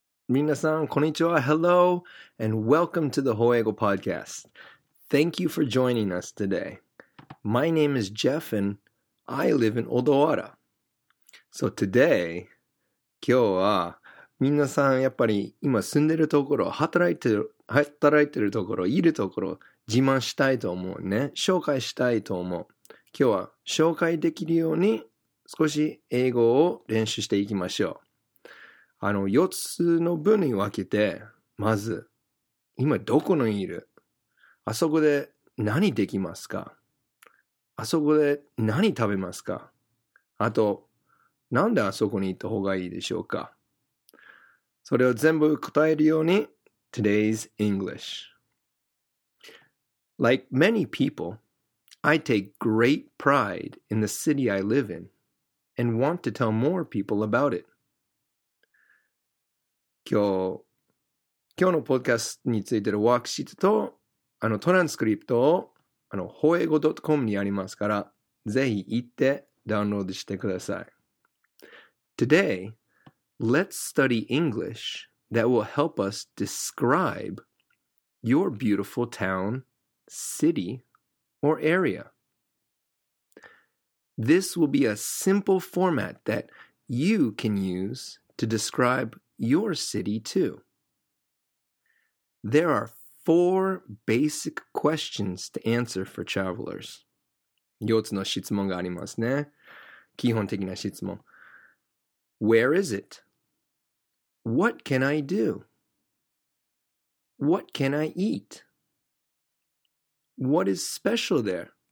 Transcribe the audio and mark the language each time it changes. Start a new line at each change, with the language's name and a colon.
Japanese: Minasan, konnichiwa,
English: hello, and welcome to the Hoengo podcast. Thank you for joining us today. My name is Jeff, and I live in Odawara. So today,
Japanese: 今日は、みんなさん、やっぱり今住んでるところ、働いてるところ、いるところ、自慢したいと思うね。紹介したいと思う。今日は紹介できるように、少し英語を練習していきましょう。 4つの文に分けて、まず、今どこにいる？あそこで何できますか？あそこで何食べますか？あと、なんであそこに行った方がいいでしょうか？それを全部答えるように、
English: Today's English. Like many people, I take great pride in the city I live in and want to tell more people about it.
Japanese: 今日のポッドキャストについてのワークシートとトランスクリプトをhoengo.com にありますから、ぜひ行ってダウンロードしてください。
English: Today, let's study English that will help us describe your beautiful town, city, or area. This will be a simple format that you can use to describeYour city too. There are 4 basic questions to answer for travelers.
Japanese: 4つの質問がありますね。基本的な質問。
English: Where is it? What can I do? What can I eat? What is special there?